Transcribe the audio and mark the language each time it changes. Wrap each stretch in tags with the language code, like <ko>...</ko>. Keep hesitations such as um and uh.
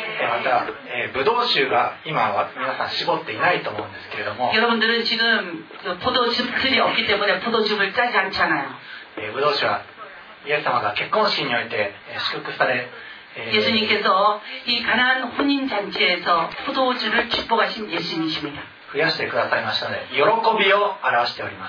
<ja>また、えー、ブドウ酒が今は皆さん絞っていないと思うんですけれども。</ja> <ko>여 러분들은지금포도즙들이없기때문에포도즙을짜지않잖아 요。</ko> <ja>えー、ブドウ酒はイエス様が結婚式において祝福され。</ja> <ko>예수님 께서이가난혼인잔치에서포도주를축복하신예수님이십니 다.</ko> <ja>増やしてくださいましたので喜びを表しておりま</ja>